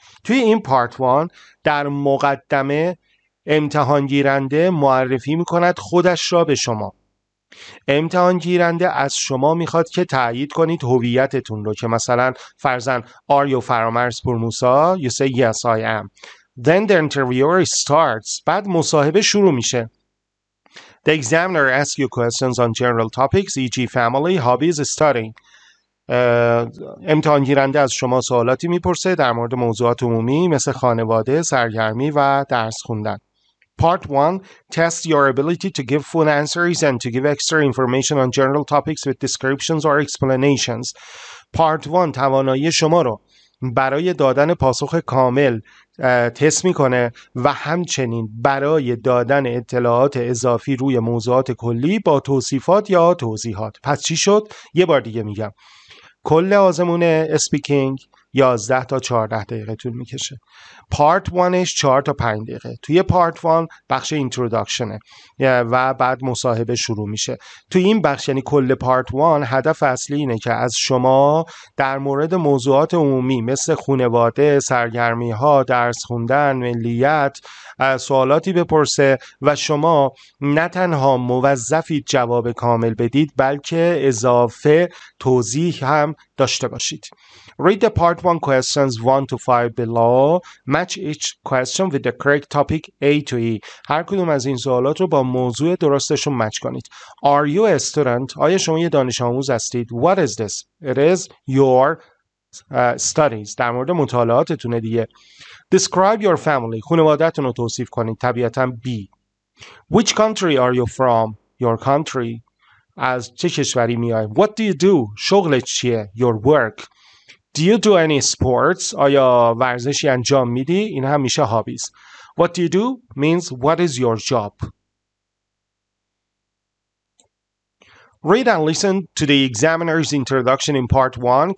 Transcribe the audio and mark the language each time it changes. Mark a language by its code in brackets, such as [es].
[fa] توی این Part 1 در مقدمه امتحان گیرنده معرفی میکند خودش را به شما. امتحان گیرنده از شما میخواد که تایید کنید هویتتون رو، که مثلا فرضاً [en] Are you [fa] فرامرز پرموسا؟ [en] You say yes I am. Then the interviewer starts. [fa] بعد مصاحبه شروع میشه. [en] The examiner asks you questions on general topics, e.g. family, hobbies, studying. [fa] امتحان گیرنده از شما سوالاتی میپرسه در مورد موضوعات عمومی مثل خانواده، سرگرمی و درس خوندن. [en] Part 1 tests your ability to give full answers and to give extra information on general topics with descriptions or explanations. [fa] Part 1 توانایی شما رو برای دادن پاسخ کامل تست میکنه و همچنین برای دادن اطلاعات اضافی روی موضوعات کلی با توصیفات یا توضیحات. پس چی شد؟ یه بار دیگه میگم. کل آزمون اسپیکینگ 11 تا 14 دقیقه طول میکشه. Part 1ش 4 تا 5 دقیقه. توی Part 1 بخش اینترودکشنه و بعد مصاحبه شروع میشه. توی این بخش، یعنی کل Part 1، هدف اصلی اینه که از شما در مورد موضوعات عمومی مثل خانواده، سرگرمی ها، درس خوندن، ملیت سوالاتی بپرسه و شما نه تنها موظفید جواب کامل بدید بلکه اضافه توضیح هم داشته باشید. [en] Read the part 1 questions 1 to 5 below. Match each question with the correct topic A to E. [fa] هر کدوم از این سوالات رو با موضوع درستشون مچ کنید. [en] Are you a student? [fa] آیا شما یه دانش آموز هستید? [en] What is this? It is your [fa] studies در مورد مطالعاتتونه دیگه. [en] Describe your family. [fa] خانوادتون رو توصیف کنید. طبیعتاً [en] be. Which country are you from? Your country. [fa] از چه کشوری میای؟ [en] What do you do? [fa] شغلت چیه؟ [en] Your work. Do you do any sports? [fa] آیا ورزشی انجام میدی؟ این هم میشه هابیز. [en] What do you do means what is your job? Read and listen to the examiner's introduction in part one.